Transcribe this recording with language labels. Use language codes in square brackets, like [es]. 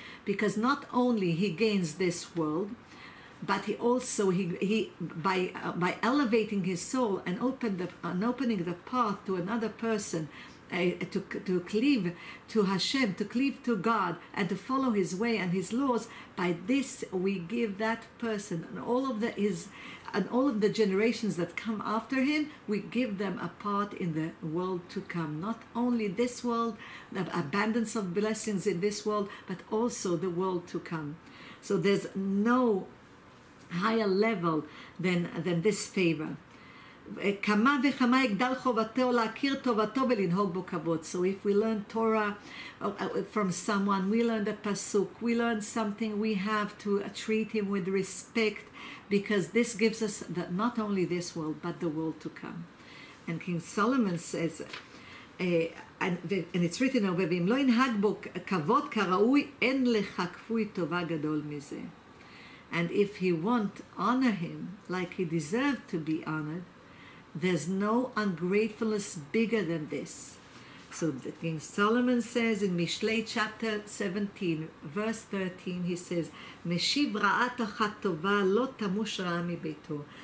[en] Because not only he gains this world, but he also by elevating his soul and opening the path to another person to cleave to Hashem, to cleave to God and to follow his way and his laws, by this we give that person and all of the generations that come after him, we give them a part in the world to come. Not only this world, the abundance of blessings in this world, but also the world to come. So there's no higher level than this favor. [he] כמה וכמה יגדל חובתו להכיר טובתו ולנהוג בו כבוד. [en] So if we learn Torah from someone, we learn the pasuk, we learn something, we have to treat him with respect, because this gives us that not only this world but the world to come. And King Solomon says, and it's written over, [he] ואם לא ינהג בו כבוד כראוי אין לך כפוי טובה גדול מזה. [en] And if he won't honor him like he deserved to be honored, there's no ungratefulness bigger than this. So the King Solomon says in Mishlei chapter 17, verse 13, he says, [he] "Meshiv ra'at achat tova lo tamush ra'a mibeito."